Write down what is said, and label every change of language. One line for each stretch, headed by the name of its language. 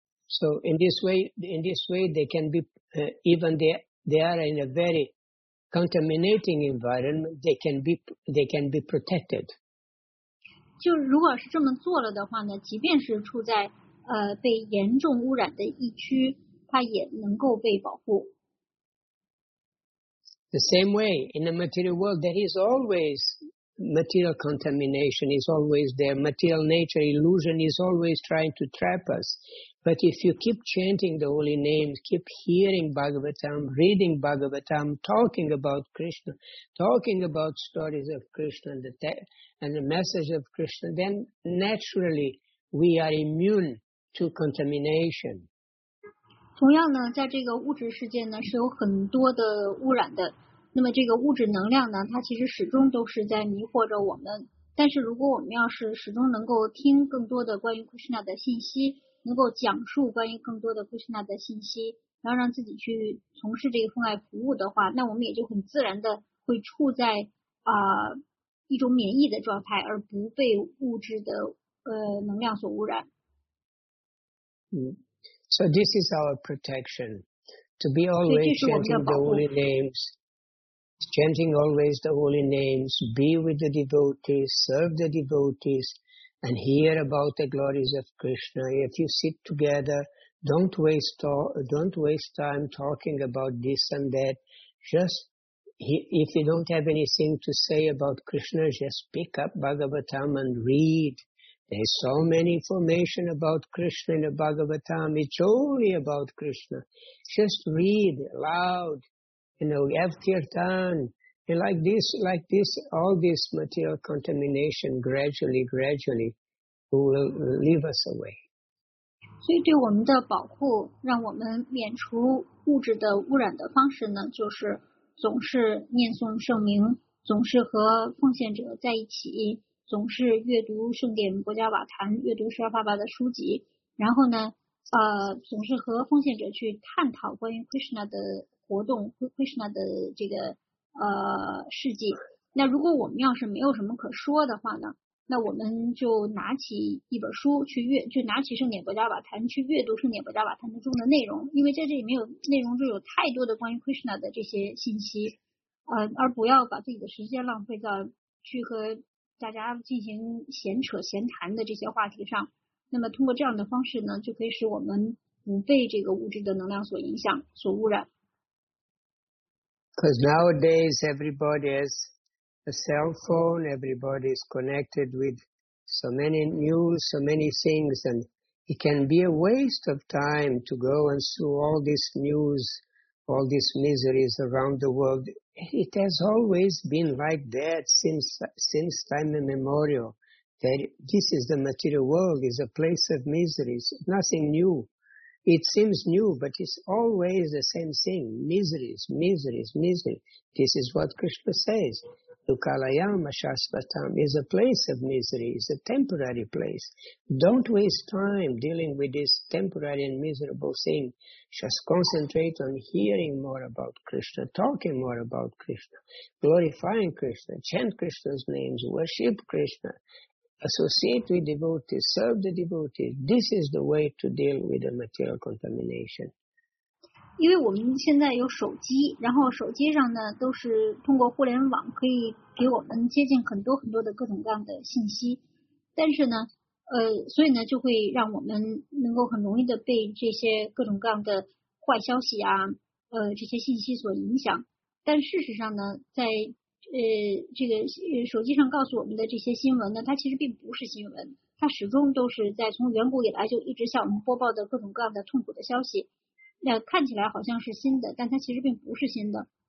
English: So in this way they can be even they are in a very contaminating environment, they can be protected.
Chinese: 就如果是这么做了的话呢，即便是处在被严重污染的疫区，它也能够被保护。
English: The same way, in the material world, there is always material contamination, is always there, material nature, illusion is always trying to trap us. But if you keep chanting the holy names, keep hearing Bhagavatam, reading Bhagavatam, talking about Krishna, talking about stories of Krishna and the message of Krishna, then naturally we are immune to contamination.
Chinese: 同样呢，在这个物质世界呢，是有很多的污染的。那么这个物质能量呢，它其实始终都是在迷惑着我们。但是如果我们要是始终能够听更多的关于 Krishna 的信息，能够讲述关于更多的 Krishna 的信息，然后让自己去从事这个奉爱服务的话，那我们也就很自然的会处在一种免疫的状态，而不被物质的能量所污染。嗯。
English: So this is our protection, to be always chanting the holy names, chanting always the holy names, be with the devotees, serve the devotees, and hear about the glories of Krishna. If you sit together, don't waste time talking about this and that. Just, if you don't have anything to say about Krishna, just pick up Bhagavatam and read. There's so many information about Krishna in the Bhagavatam. It's only about Krishna. Just read aloud, you know, have kirtan. And like this, all this material contamination gradually will leave us away.
Chinese: 所以对我们的保护，让我们免除物质的污染的方式呢，就是总是念诵圣名，总是和奉献者在一起。总是阅读圣典国家瓦坛，阅读十二爸爸的书籍，然后呢总是和奉献者去探讨关于 Krishna 的活动， Krishna 的这个事迹。那如果我们要是没有什么可说的话呢，那我们就拿起一本书就拿起圣典国家瓦坛去阅读圣典国家瓦坛中的内容，因为在这里没有内容，就有太多的关于 Krishna 的这些信息，而不要把自己的时间浪费到去和大家进行闲扯闲谈的这些话题上，那么通过这样的方式呢，就可以使我们不被这个物质的能量所影响、所污染。
English: Because nowadays everybody has a cell phone, everybody is connected with so many news, so many things, and it can be a waste of time to go and see all these news, all these miseries around the world. It has always been like that since time immemorial. That this is the material world, is a place of miseries. Nothing new. It seems new, but it's always the same thing. Miseries, miseries, misery. This is what Krishna says. Lukalayama Shasvatam is a place of misery. It's a temporary place. Don't waste time dealing with this temporary and miserable thing. Just concentrate on hearing more about Krishna, talking more about Krishna, glorifying Krishna, chant Krishna's names, worship Krishna, associate with devotees, serve the devotees. This is the way to deal with the material contamination.
Chinese: 因为我们现在有手机，然后手机上呢都是通过互联网可以给我们接近很多很多的各种各样的信息，但是呢所以呢就会让我们能够很容易的被这些各种各样的坏消息啊这些信息所影响，但事实上呢在这个手机上告诉我们的这些新闻呢，它其实并不是新闻，它始终都是在从远古以来就一直向我们播报的各种各样的痛苦的消息，那看起来好像是新的，但它其实并不是新的。